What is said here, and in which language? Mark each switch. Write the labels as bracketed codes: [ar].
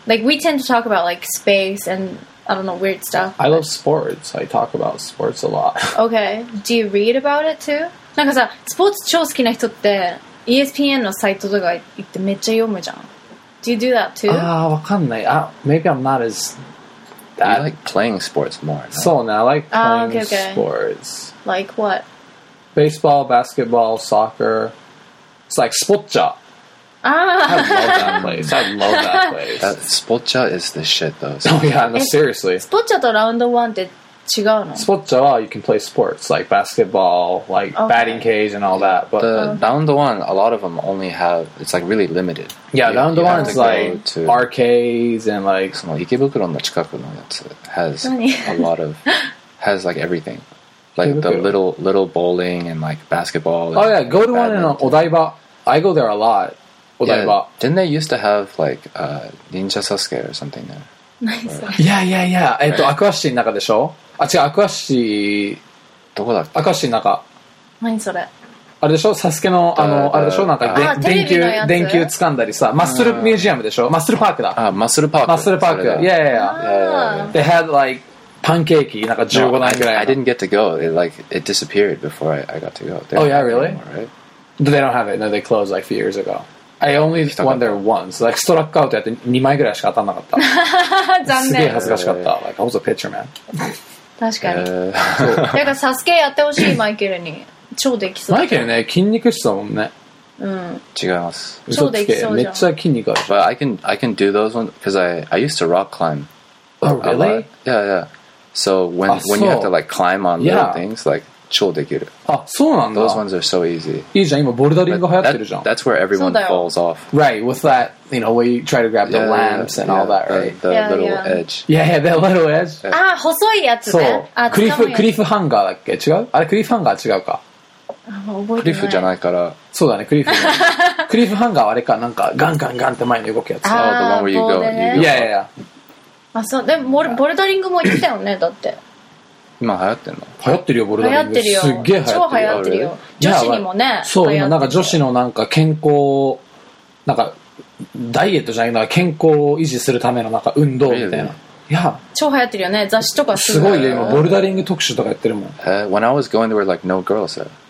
[en] Like we tend to talk about like space and I don't know weird stuff. I love sports. I talk about sports a lot. Okay. Do you read about it too? [ja] なんかさ、スポーツ超好きな人って ESPN のサイトとか行ってめっちゃ読むじゃん。 [en] Do you do that too? [ja] わかんない。 [en] Maybe I'm not as That. You like playing sports more. No? So now I like playing sports. Like what? Baseball, basketball, soccer. It's like Spocha. Ah. I love that place. Spocha is the shit though. So. Oh yeah, no, seriously. [ja] Spocha to round one did chigano. [en] Spocha, you can play sports like basketball, like batting cage and all that. But the round one, a lot of them only have, it's like really limited. Yeah, round one is like arcades and like. [ja] Ikebukuro no chikaku no yatsu [en] has a lot of, has like everything. Like the little bowling and like basketball. And oh yeah, go to one in Odaiba. I go there a lot. Odaiba. Yeah, didn't they used to have like Ninja Sasuke or something there? Yeah. Right. [ja] アクアシティの中でしょ? アクアシティ... どこだっけ? アクアシティの中。何それ? あれでしょ?サスケの... テレビのやつ?電球掴んだりさ。マッスルミュージアムでしょ? マッスルパークだ。マッスルパーク? [en] マッスルパーク。Yeah. They had like パンケーキ [ja] なんか15枚ぐらい。 [en] No, I didn't get to go. It disappeared before I got to go. Oh yeah, really? But they don't have it. No, they closed like a few years ago. I only went there once. Like, [ja] ストラックアウトやって2枚ぐらいしか当たんなかった。残念。すげえ恥ずかしかった。 [en] Like, I was a pitcher, man. [ja] 確かに。だからサスケやってほしいマイケルに。超できそう。マイケルね、筋肉質だもんね。うん。違います。超できそうじゃん。めっちゃ筋肉ある。 [en] But I can do those ones, because I used to rock climb. Oh, really? Yeah. So, when you have to, like, climb on little things, like, [ja] 超できる. Ah, そうなんだ. [en] Those ones are so easy. [ja] いいじゃん、今ボルダリング流行ってるじゃん. [en] That's where everyone falls off. Right, with that, you know, where you try to grab the lamps and all that, right? The little edge. Yeah, that little edge. [ja] ああ、細いやつね. そう。クリフハンガーだっけ?違う?あれ、クリフハンガー違うか? クリフじゃないから。そうだね、クリフ。クリフハンガーあれか、なんかガンガンガンって前に動くやつ。 [en] Oh, the one where you go. Yeah. [ja] あ、そう。でも、ボルダリングも行ってたよね、だって。今流行ってるの？流行ってるよ、ボルダリング。流行ってるよ。すげえ流行ってる。超流行ってるよ。女子にもね。流行ってる。そう、今なんか女子のなんか健康、なんかダイエットじゃないんだから健康を維持するためのなんか運動みたいな。いや、超流行ってるよね。雑誌とかすごいよ、今ボルダリング特集とかやってるもん。 [en] When I was going, there were like no girls there.